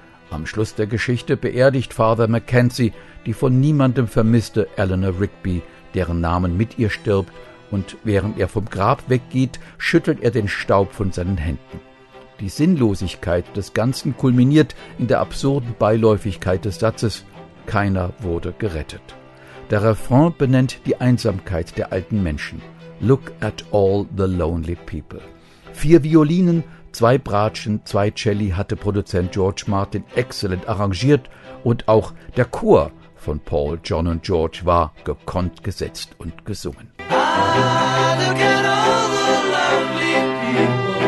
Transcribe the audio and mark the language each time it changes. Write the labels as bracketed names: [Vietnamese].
[German] Am Schluss der Geschichte beerdigt Father Mackenzie die von niemandem vermisste Eleanor Rigby, deren Namen mit ihr stirbt, und während er vom Grab weggeht, schüttelt er den Staub von seinen Händen. Die Sinnlosigkeit des Ganzen kulminiert in der absurden Beiläufigkeit des Satzes: Keiner wurde gerettet. Der Refrain benennt die Einsamkeit der alten Menschen. [English] Look at all the lonely people. [German] Vier Violinen, zwei Bratschen, zwei Celli hatte Produzent George Martin exzellent arrangiert und auch der Chor von Paul, John und George war gekonnt gesetzt und gesungen. [English] Look at all the lonely people.